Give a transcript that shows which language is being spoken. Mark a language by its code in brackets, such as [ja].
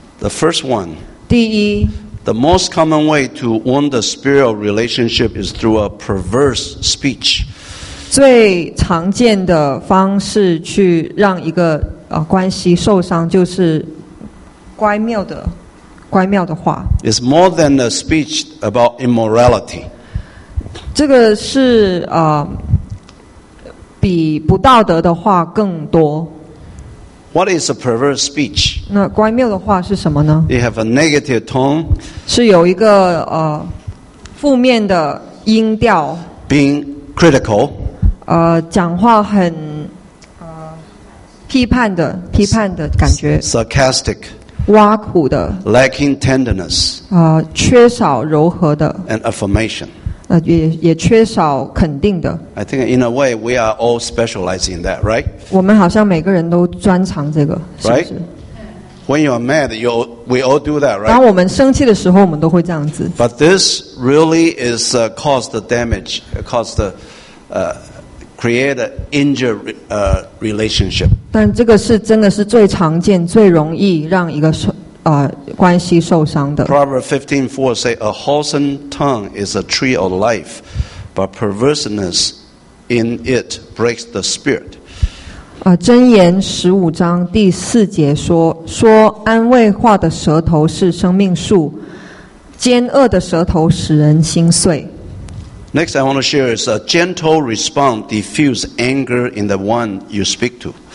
[en] The first one. [zh] 第一。 [en] The most common way to wound the spirit of relationship is through a perverse speech. [zh] 最常见的方式去让一个关系受伤就是乖谬的话。 [en] It's more than a speech about immorality. [zh] 这个是比不道德的话更多。 [en] What is a perverse speech? [zh] 那乖谬的话是什么呢 [en] ？You have a negative tone. [zh] 是有一个负面的音调。 [en] Being critical. [zh] 讲话很批判的感觉 [en] sarcastic [zh] 挖苦的 [en] lacking tenderness [zh] 缺少柔和的 [en] and affirmation [zh] 也缺少肯定的 [en] I think in a way we are all specializing in that right [zh] 我们好像每个人都专长这个是不是 [en] right when you are mad we all do that right [zh] 当我们生气的时候我们都会这样子 [en] but this really is cause the damage cause the create an injured relationship. [zh] 但这个是真的是最常见、最容易让一个关系受伤的。 [en] Proverbs 15:4 say, "A wholesome tongue is a tree of life, but perverseness in it breaks the spirit." [zh] 箴言15:4节说：“说安慰话的舌头是生命树，奸恶的舌头使人心碎。” [en] Next, I want to share is a gentle response diffuses anger in the one you speak to.